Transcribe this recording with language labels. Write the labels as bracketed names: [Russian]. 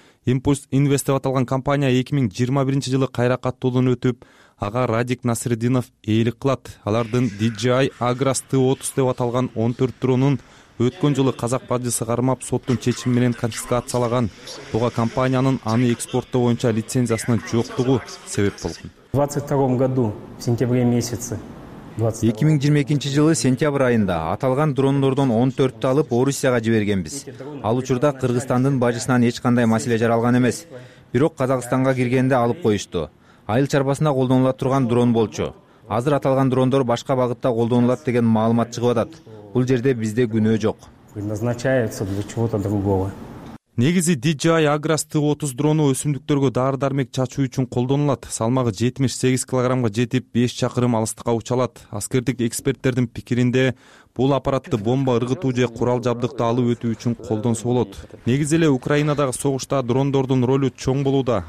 [Kyrgyz] Импульс Инвест деп аталган компания 2021 жылы кайра каттоодон өтүп, ага Радик Насырдинов ээлик кылат. Алардын DJI Agras T30 деп аталган 14 дронун өткөн жылы казак бажысы кармап соттун чечими менен конфискациялаган. Буга компаниянын аны экспорттоо боюнча лицензиясынын жоктугу себеп болгон. [Russian] В 22-м году, в сентябре месяце. [Kyrgyz] 2022 жылы сентябрь айында аталган дрондордон 14-тү алып Орусияга жибергенбиз. Ал учурда Кыргызстандын бажысынан эч кандай маселе жаралган эмес. Бирок Казакстанга киргенде алып коюшту. Айыл чарбасында колдонула турган дрон болчу. Азыр аталган дрондор башка багытта колдонулат деген маалымат чыгып атат. Бул жерде бизде күнөө жок. [Russian] Предназначается для чего-то другого. [Kyrgyz] Негизи DJI Agras T30 дрону өсүмдүктөргө дары-дармек чачуу үчүн колдонулат. Салмагы 78 килограммга жетип, 5 чакырым алыстыкка уча алат. Аскердик эксперттердин пикиринде, бул аппаратты бомба ыргытуу же курал жабдыкты алып өтүү үчүн колдонсо болот. Негизи эле Украинадагы согушта дрондордун ролу чоң болууда.